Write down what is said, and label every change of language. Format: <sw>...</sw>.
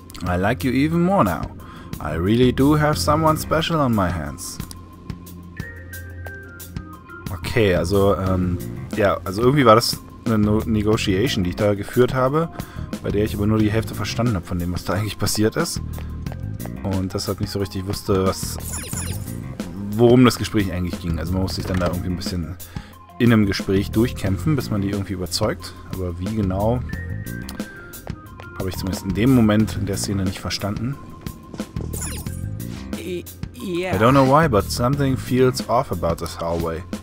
<en>I like you even more now. I really do have someone special on my hands.</en> <de>Okay, also also irgendwie war das eine Negotiation, die ich da geführt habe, bei der ich aber nur die Hälfte verstanden habe von dem, was da eigentlich passiert ist. Und deshalb nicht so richtig wusste, worum das Gespräch eigentlich ging. Also man musste sich dann da irgendwie ein bisschen in einem Gespräch durchkämpfen, bis man die irgendwie überzeugt. Aber wie genau, habe ich zumindest in dem Moment in der Szene nicht verstanden.</de> <en>Yeah. I don't know why, but something feels off about this hallway.</en>